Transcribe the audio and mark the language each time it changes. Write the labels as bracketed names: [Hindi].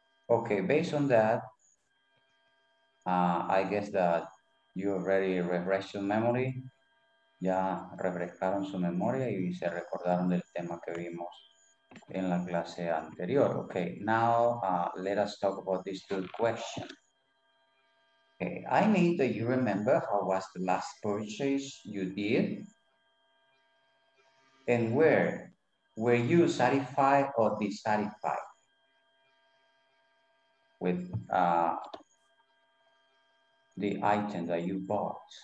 [English] Okay, based on that, I guess that you already refreshed your memory. [Spanish] Ya refrescaron su memoria y se recordaron del tema que vimos en la clase anterior. [English] Okay, now let us talk about this good question. Okay, I need that you remember how was the last purchase you did and where were you satisfied or dissatisfied with the item that you bought.